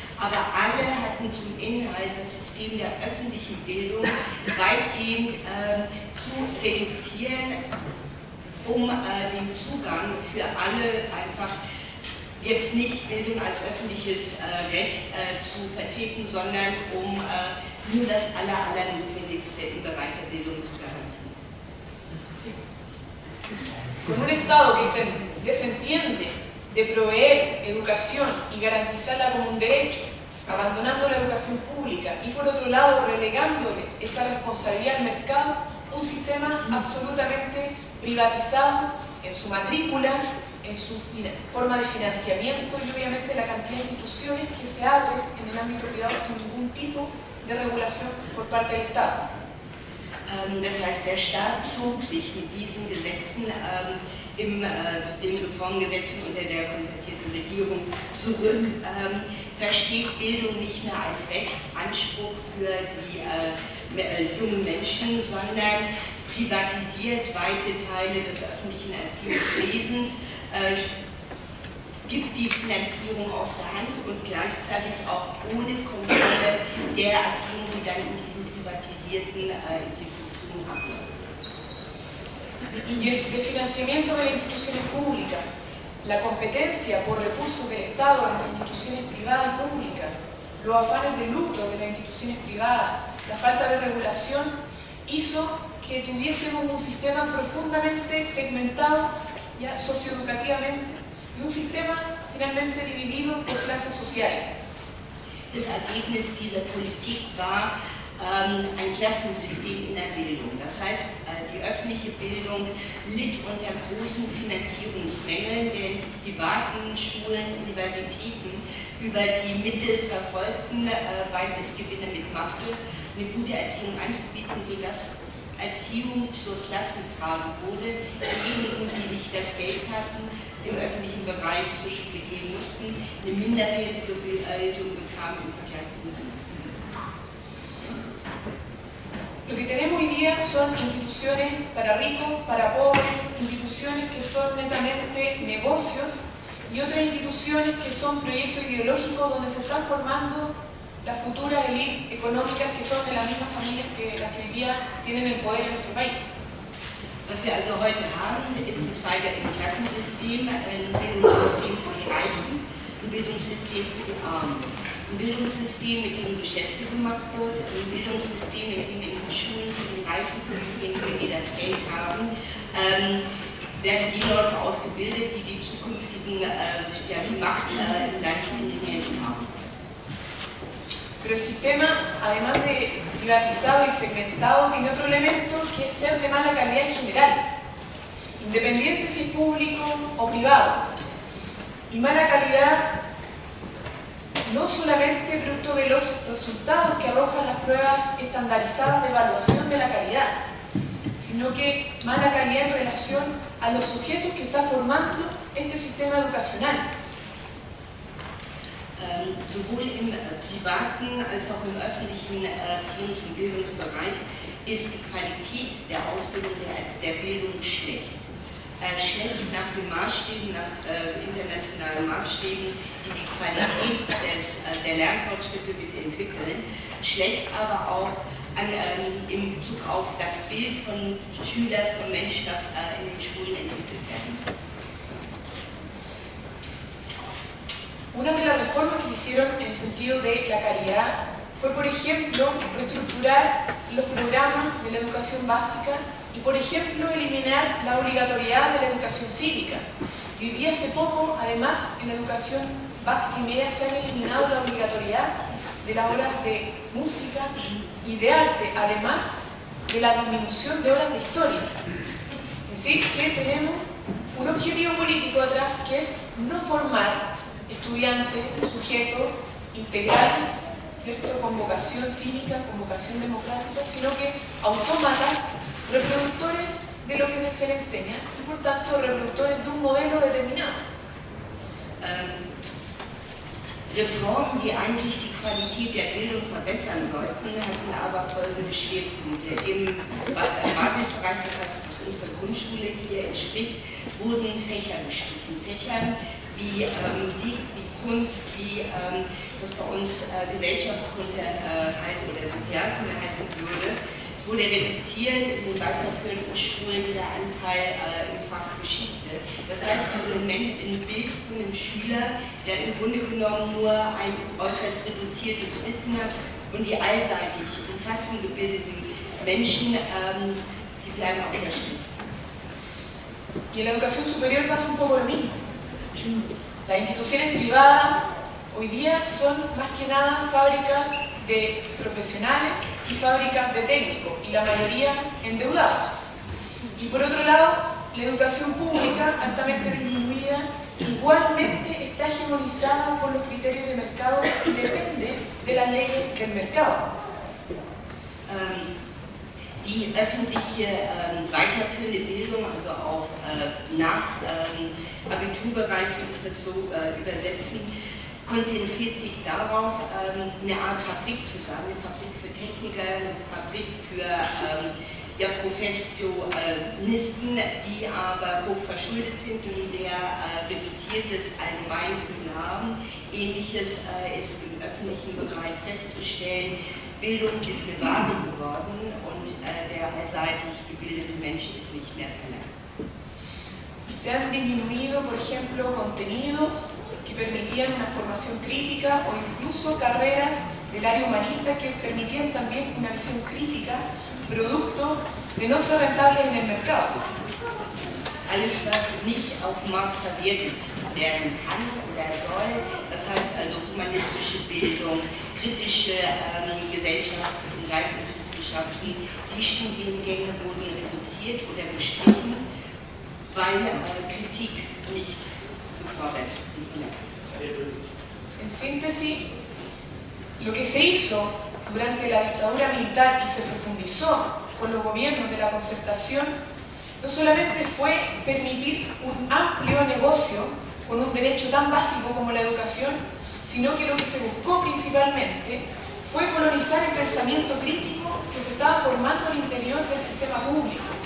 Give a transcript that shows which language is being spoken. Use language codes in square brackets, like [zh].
[de] Aber alle hatten zum Inhalt, das System der öffentlichen Bildung weitgehend zu reduzieren, um den Zugang für alle einfach jetzt nicht Bildung als öffentliches Recht zu vertreten, sondern um nur das Allernotwendigste im Bereich der Bildung zu garantieren. [es] Con un Estado que se desentiende de proveer educación y garantizarla como un derecho, abandonando la educación pública y por otro lado relegándole esa responsabilidad al mercado, un sistema absolutamente privatizado en su matrícula, en su forma de financiamiento y obviamente la cantidad de instituciones que se abren en el ámbito privado sin ningún tipo de regulación por parte del Estado. [de] Das heißt, der Staat zog sich mit diesen Gesetzen, den Reformgesetzen unter der konzertierten Regierung zurück, versteht Bildung nicht mehr als Rechtsanspruch für die jungen Menschen, sondern privatisiert weite Teile des öffentlichen Erziehungswesens, gibt die Finanzierung aus der Hand und gleichzeitig auch ohne Kontrolle der Erziehung, die dann in diesen privatisierten Institutionen abläuft. [es] Y el desfinanciamiento de las instituciones públicas, la competencia por recursos del Estado entre instituciones privadas y públicas, los afanes de lucro de las instituciones privadas, la falta de regulación, hizo que tuviésemos un sistema profundamente segmentado ya socioeducativamente y un sistema finalmente dividido por clases sociales. El [de] Ergebnis dieser Politik war ein Klassensystem in der Bildung. Das heißt, die öffentliche Bildung litt unter großen Finanzierungsmängeln, während die privaten Schulen, Universitäten über die Mittel verfolgten, weil es Gewinne mitmachte, eine gute Erziehung anzubieten, sodass Erziehung zur Klassenfrage wurde. Diejenigen, die nicht das Geld hatten, im öffentlichen Bereich zur Schule gehen mussten, eine minderwertige Bildung bekamen im Vergleich zu anderen. [es] Lo que tenemos hoy día son instituciones para ricos, para pobres, instituciones que son netamente negocios y otras instituciones que son proyectos ideológicos donde se están formando las futuras élites económicas que son de las mismas familias que las que hoy día tienen el poder en nuestro país. [de] Was wir also heute haben, ist ein zweigeteiltes Klassensystem, ein Bildungssystem für die Reichen, ein Bildungssystem für die Armen. Ein Bildungssystem, mit dem Geschäfte gemacht wird, ein Bildungssystem, mit dem in den Schulen für die reichen Familien, die das Geld haben, werden die Leute ausgebildet, die die zukünftigen die Macht im Land in den Händen haben. [es] Pero el sistema, además de privatizado y segmentado, tiene otro elemento que es ser de mala calidad en general, independiente si público o privado, y mala calidad no solamente producto de los resultados que arrojan las pruebas estandarizadas de evaluación de la calidad, sino que mala calidad en relación a los sujetos que está formando este sistema educacional. [de] Sowohl im privaten als auch im öffentlichen Erziehungs- und Bildungsbereich ist die Qualität der Ausbildung der Bildung schlecht. Schlecht nach den Maßstäben, nach internationalen Maßstäben, die die Qualität der Lernfortschritte mit entwickeln. Schlecht aber auch in Bezug auf das Bild von Schüler, von Mensch, das in den Schulen entwickelt werden soll. [es] Una de las reformas que se hicieron en el sentido de la calidad fue, por ejemplo, reestructurar los programas de la educación básica y, por ejemplo, eliminar la obligatoriedad de la educación cívica. Y hoy día hace poco, además, en la educación básica y media se ha eliminado la obligatoriedad de las horas de música y de arte, además de la disminución de horas de historia. Es decir, que tenemos un objetivo político atrás que es no formar estudiante, sujeto, integral, ¿cierto?, con vocación cívica, con vocación democrática, sino que autómatas, reproductores de lo que se les enseña y por tanto reproductores de un modelo determinado. [de] Reformen, die eigentlich die Qualität der Bildung verbessern sollten, hatten aber folgende Schwerpunkte. Im Basisbereich, das heißt, was unsere Grundschule hier entspricht, wurden Fächer gestrichen. Fächer wie Musik, wie Kunst, wie das bei uns Gesellschaftskunde heißt oder Sozialkunde heißen würde. Es wurde reduziert in den weiterführenden Schulen der Anteil im Fach Geschichte. Das heißt, also ein Bild von einem Schüler, der im Grunde genommen nur ein äußerst reduziertes Wissen hat und die allseitig umfassend gebildeten Menschen, die bleiben auf der Strecke. [es] Y en la educación superior pasa un poco lo mismo. Las instituciones privadas hoy día son más que nada fábricas de profesionales y fábricas de técnicos, y la mayoría endeudados. Y por otro lado, la educación pública, altamente disminuida, igualmente está hegemonizada por los criterios de mercado y depende de las leyes del mercado. [de] Die öffentliche weiterführende Bildung, also auf nach Abiturbereich würde ich das so übersetzen, konzentriert sich darauf, eine Art Fabrik zu sein, eine Fabrik für Techniker, eine Fabrik für Professionisten, die aber hoch verschuldet sind und ein sehr reduziertes Allgemeinwissen haben. Ähnliches ist im öffentlichen Bereich festzustellen. Bildung ist eine Ware geworden und der allseitig gebildete Mensch ist nicht mehr verlangt. [es] Se han disminuido, por ejemplo, contenidos que permitían una formación crítica o incluso carreras del área humanista que permitían también una visión crítica producto de no ser rentables en el mercado. [de] Alles, was nicht auf dem Markt verwertet werden kann oder soll, das heißt also humanistische Bildung, kritische Gesellschafts- und Geisteswissenschaften, die Studiengänge wurden reduziert oder gestrichen, weil Kritik nicht gefordert wird. [es] In Synthese, lo que se hizo durante la dictadura militar y se profundizó con los gobiernos de la concertación, no solamente fue permitir un amplio negocio con un derecho tan básico como la educación, sino que lo que se buscó principalmente fue colonizar el pensamiento crítico que se estaba formando al interior del sistema público.